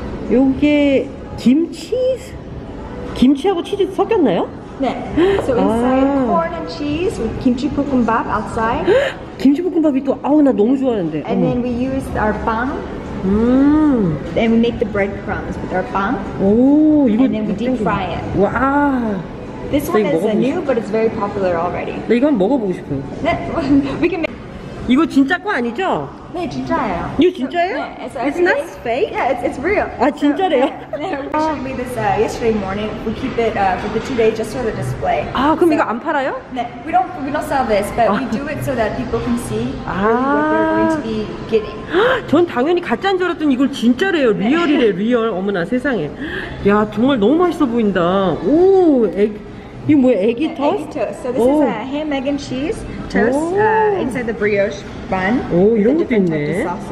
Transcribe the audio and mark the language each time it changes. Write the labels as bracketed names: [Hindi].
[Korean] 여기 김치? 김치하고 치즈 섞였나요? 네. [English] So inside, corn and cheese with kimchi bibimbap outside. [Korean] 김치 볶음밥이 또, 나 너무 좋아하는데. [English] And then we use our bun. And we make the breadcrumbs with our bun. Oh, and then we deep fry it. Wow. This one is new, but it's very popular already. [Korean] 나 이건 먹어보고 싶어요. [English] 네, we can make. [Korean] 이거 진짜 거 아니죠? 네, 진짜예요. 이거 진짜예요? [English] It's not fake. Yeah, it's real. [Korean] 아, 진짜래요? [English] 네, we actually made this yesterday morning. We keep it for the 2 days just for the display. [Korean] 아, 그럼 이거 안 팔아요? [English] 네, we don't sell this, but we do it so that people can see what they're going to be getting. [Korean] 전 당연히 가짜인 줄 알았더니 이걸 진짜래요. 리얼이래, 리얼. 어머나, 세상에. 야, 정말 너무 맛있어 보인다. 오, 이거 뭐야? 애기 토스트? 애기 토스트. [English] So this is a ham, egg, and cheese toast inside the brioche bun. [Korean] 오, 이런 것도 있네.